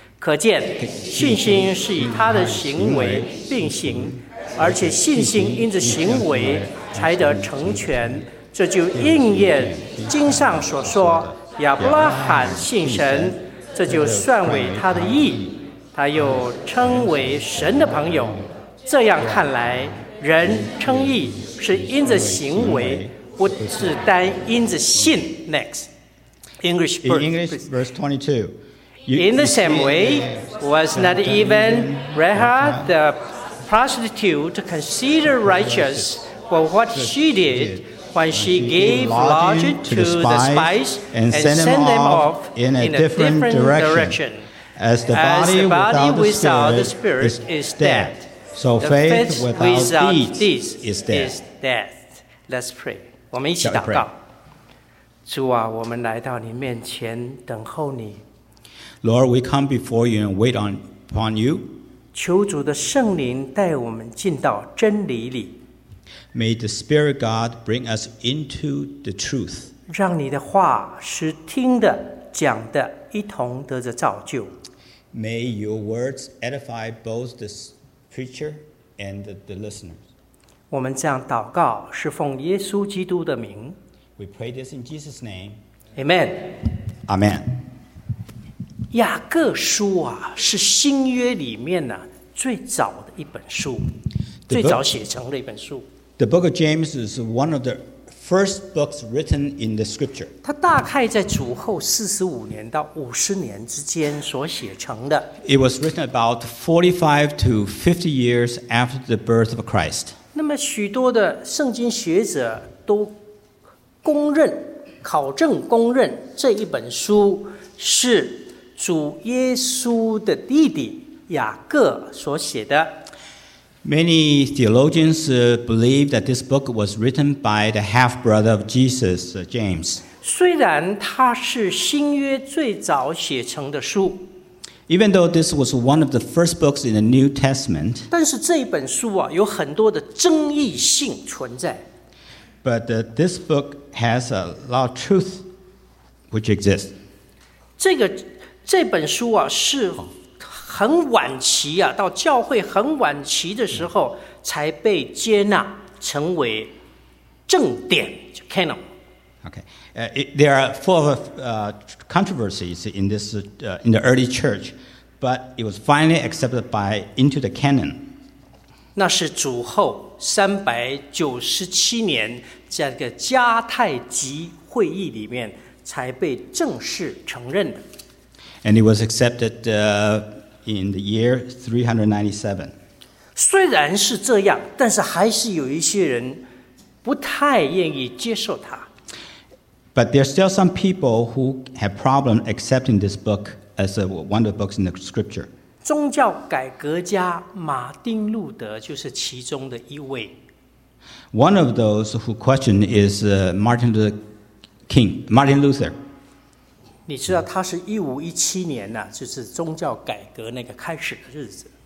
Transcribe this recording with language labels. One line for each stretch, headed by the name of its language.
Chinese: 可见信心是以他的行为并行，而且信心因着行为才得成全，这就应验经上所说，亚伯拉罕信神，这就算为他的义，他又称为神的朋友。这样看来，人称义是因着行为，不是单因着信。
English: Next, English verse, verse 22. In the same way, was not even Rahab the prostitute considered righteous for what she did when she gave lodging to the spies and sent them off in a different direction? As the body without the spirit is dead. So faith without deeds is death. Let's pray.
Chinese: 我们一起祷告。主啊，我们来到你面前等候你。
English: Lord, we come before you and wait upon you.
Chinese: 求主的圣灵带我们进到真理里。
English: May the Spirit God bring us into the truth.
Chinese: 让你的话使听的讲的一同得着造就。
English: May your words edify both the preacher and the listeners.
Chinese: 我们这样祷告是奉耶稣基督的名。
English: We pray this in Jesus' name. Amen. Amen.
Chinese: 雅各书啊，是新约里面呢最早的一本书，最早写成的一本书。
English: The book of James is one of the first books written in the scripture.
Chinese: 它大概在主后45年到50年之间所写成的。
English: It was written about 45 to 50 years after the birth of Christ.
Chinese: 那么许多的圣经学者都公认、考证公认这一本书是主耶稣的弟弟雅各所写的。
English: Many theologians believe that this book was written by the half-brother of Jesus, James.
Chinese: 虽然它是新约最早写成的书，
English: Even though this was one of the first books in the New Testament,
Chinese: 但是这本书啊，有很多的争议性存在。
English: But this book has a lot of truth which exists.
Chinese: 这本书啊，是很晚期啊，到教会很晚期的时候才被接纳成为正典 canon.
English: Okay, there are full of controversies in this in the early church, but it was finally accepted into the canon.
Chinese: 那是主后397年这个迦太基会议里面才被正式承认的。
English: And it was accepted in the year 397.
Chinese: 虽然是这样，但是还是有一些人不太愿意接受它。
English: But there are still some people who have problem accepting this book as one of the books in the scripture.
Chinese: 宗教改革家马丁·路德就是其中的一位。
English: One of those who question is Martin Luther King, Martin Luther.
Chinese: 你知道他是1517年呢、啊，就是宗教改革那个开始的日子。